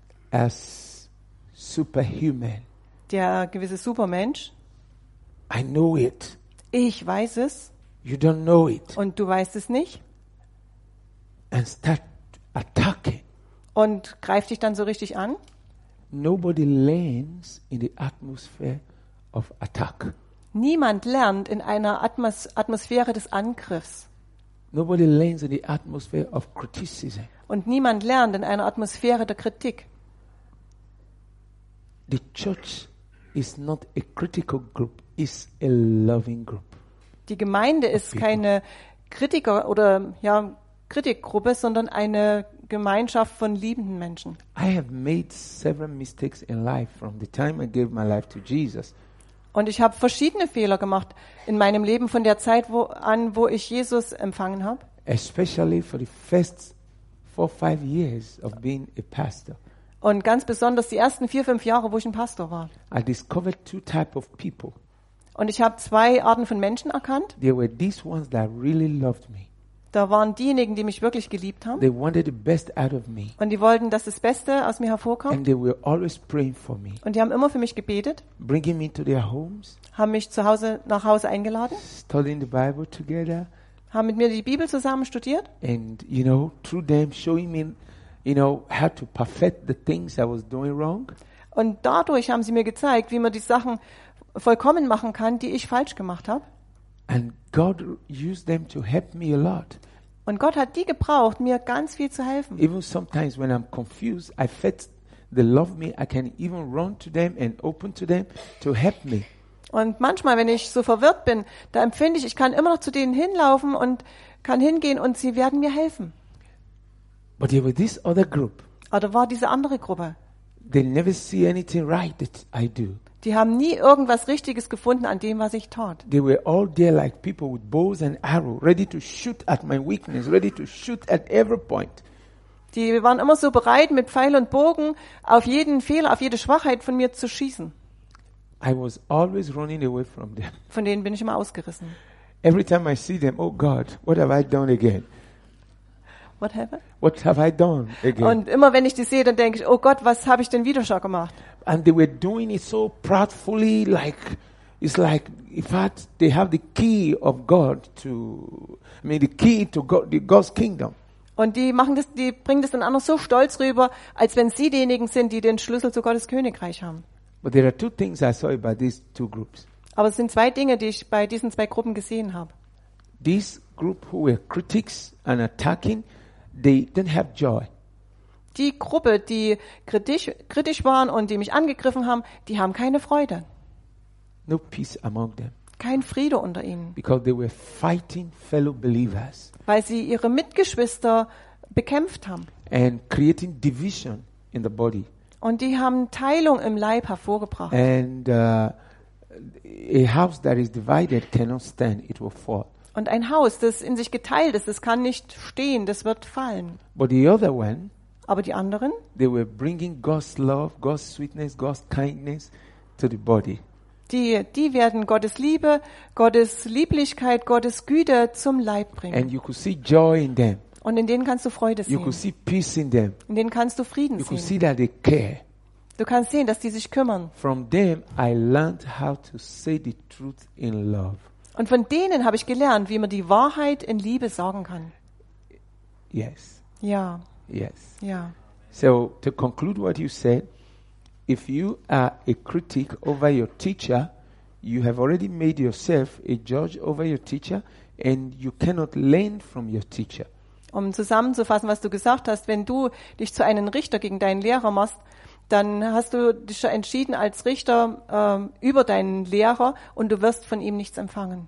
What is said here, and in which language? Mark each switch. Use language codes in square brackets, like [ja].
[en] as superhuman, [de] der gewisse Supermensch, [en] I know it. [de] Ich weiß es. [en] You don't know it. [de] Und du weißt es nicht. [en] And start attacking. [de] Und greif dich dann so richtig an. [en] Nobody learns in the atmosphere of attack. [de] Niemand lernt in einer Atmosphäre des Angriffs. [en] Nobody learns in the atmosphere of criticism. [de] Und niemand lernt in einer Atmosphäre der Kritik. [en] The church is not a critical group, it's a loving group. [de] Die Gemeinde ist keine Kritiker oder ja Kritikgruppe, sondern eine Gemeinschaft von liebenden Menschen. [en] I have made several mistakes in life from the time I gave my life to Jesus. [de] Und ich habe verschiedene Fehler gemacht in meinem Leben von der Zeit wo ich Jesus empfangen habe. [en] Especially for the first 4-5 years of being a pastor. [de] Und ganz besonders die ersten 4-5 Jahre, wo ich ein Pastor war. [en] I discovered two type of people. [de] Und ich habe zwei Arten von Menschen erkannt. [en] There were these ones that really loved me. [de] Da waren diejenigen, die mich wirklich geliebt haben. [en] They wanted the best out of me. [de] Und die wollten, dass das Beste aus mir hervorkommt. [en] And they were always praying for me. [de] Und die haben immer für mich gebetet. [en] Bringing me to their homes. [de] Haben mich zu Hause nach Hause eingeladen. [en] Studying the Bible together. [de] Haben mit mir die Bibel zusammen studiert. [en] And you know, through them showing me, you know, how to perfect the things I was doing wrong. [de] Und dadurch haben sie mir gezeigt, wie man die Sachen vollkommen machen kann, die ich falsch gemacht habe. [en] And God used them to help me a lot. [de] Und Gott hat die gebraucht, mir ganz viel zu helfen. [en] Even sometimes when I'm confused, I felt they love me. I can even run to them and open to them to help me. [de] Und manchmal, wenn ich so verwirrt bin, da empfinde ich kann immer noch zu denen hinlaufen und kann hingehen und sie werden mir helfen. [en] But there was this other group. [de] Aber war diese andere Gruppe. [en] They never see anything right that I do. [de] Die haben nie irgendwas Richtiges gefunden an dem, was ich tat. [en] They were all there like people with bows and arrows, ready to shoot at my weakness, ready to shoot at every point. [de] Die waren immer so bereit, mit Pfeil und Bogen auf jeden Fehler, auf jede Schwachheit von mir zu schießen. [en] I was always running away from them. [de] Von denen bin ich immer ausgerissen. [en] Every time I see them, oh God, what have I done again? What have I done again? [de] Und immer wenn ich die sehe, dann denke ich, oh Gott, was habe ich denn wieder schon gemacht? [en] And they were doing it so proudly, like it's like in fact they have the key of God to, I mean the key to God, the God's kingdom. [de] Und die machen das, die bringen das dann auch noch so stolz rüber, als wenn sie diejenigen sind, die den Schlüssel zu Gottes Königreich haben. [en] But there are two things I saw about these two groups. [de] Aber es sind zwei Dinge, die ich bei diesen zwei Gruppen gesehen habe. [en] These group who were critics and attacking, they didn't have joy. [de] Die Gruppe, die kritisch waren und die mich angegriffen haben, die haben keine Freude. [en] No peace among them. [de] Kein Friede unter ihnen. [en] Because they were fighting fellow believers. [de] Weil sie ihre Mitgeschwister bekämpft haben. [en] And creating division in the body. [de] Und die haben Teilung im Leib hervorgebracht. [en] And a house that is divided cannot stand, it will fall. [de] Und ein Haus, das in sich geteilt ist, das kann nicht stehen, das wird fallen. [en] But the other one, [de] aber die anderen, [en] they were bringing God's love, God's sweetness, God's kindness to the body. [de] Die werden Gottes Liebe, Gottes Lieblichkeit, Gottes Güte zum Leib bringen. [en] And you could see joy in them. [de] Und in denen kannst du Freude sehen. [en] You could see peace in them. [de] In denen kannst du Frieden [en] you [de] sehen. [en] You could see that they care. [de] Du kannst sehen, dass die sich kümmern. [en] From them I learned how to say the truth in love. [de] Und von denen habe ich gelernt, wie man die Wahrheit in Liebe sagen kann. [en] Yes. [de] Ja. [en] Yes. [de] Ja. [en] So to conclude what you said, if you are a critic over your teacher, you have already made yourself a judge over your teacher and you cannot learn from your teacher. [de] Um zusammenzufassen, was du gesagt hast, wenn du dich zu einem Richter gegen deinen Lehrer machst, dann hast du dich entschieden als Richter über deinen Lehrer und du wirst von ihm nichts empfangen.